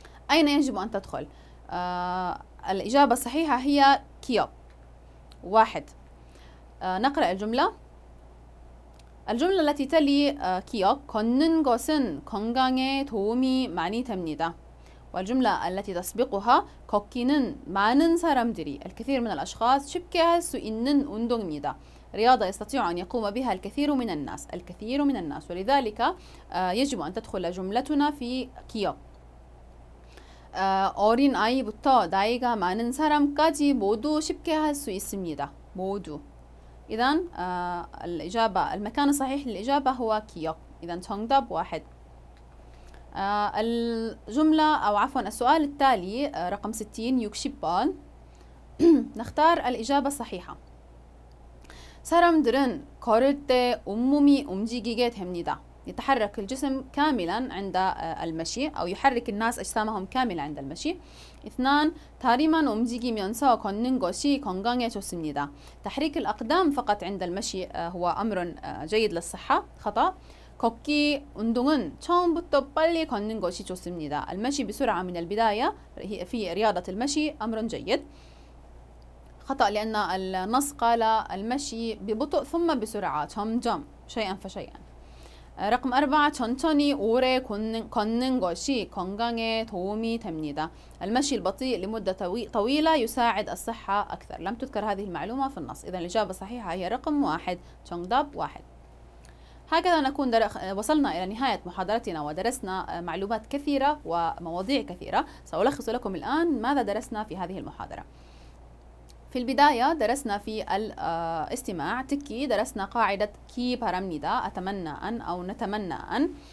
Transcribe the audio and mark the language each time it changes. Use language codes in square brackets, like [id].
[ar] أين يجب أن تدخل؟ الإجابة الصحيحة هي كيوب. واحد. نقرأ الجملة. الجملة التي تلي كيوك [ko] 걷는 것은 건강에 도움이 많이 됩니다. [ar] والجملة التي تسبقها [ko] 걷기는 많은 사람들이 [ar] الكثير من الأشخاص [ko] 쉽게 할 수 있는 운동입니다. [ar] رياضة يستطيع أن يقوم بها الكثير من الناس الكثير من الناس ولذلك يجب أن تدخل جملتنا في كيوك. [ko] 어린 아이부터 나이가 많은 사람까지 모두 쉽게 할 수 있습니다. 모두. [ar] إذن الإجابة المكان الصحيح للإجابة هو كيوك. إذن تنجب واحد. الجملة أو عفوا السؤال التالي رقم 60 يكشبان. نختار الإجابة الصحيحة. [ko] 사람들은 걸을 때 온몸이 움직이게 됩니다. [ar] يتحرك الجسم كاملا عند المشي أو يحرك الناس أجسامهم كاملة عند المشي. 2. [ko] 다리만 움직이면서 걷는 것이 건강에 좋습니다. [ar] تحريك الأقدام فقط عند المشي هو أمر جيد للصحة. خطأ. [ko] 걷기 운동은 처음부터 빨리 걷는 것이 좋습니다. [ar] المشي بسرعة من البداية في رياضة المشي أمر جيد. خطأ لأن النص قال المشي ببطء ثم بسرعة. 점점 شيئا فشيئا. 4. [ko] 천천히 오래 걷는 것이 건강에 도움이 됩니다. [ar] المشي البطيء لمدة طويلة يساعد الصحة أكثر. لم تذكر هذه المعلومة في النص. إذن الإجابة الصحيحة هي 1. [ko] 정답 1. [ar] هكذا نكون وصلنا إلى نهاية محاضرتنا ودرسنا معلومات كثيرة ومواضيع كثيرة. سألخص لكم الآن ماذا درسنا في هذه المحاضرة. في البداية درسنا في الاستماع تكي درسنا قاعدة كي بارامنيدا أتمنى أن أو نتمنى أن.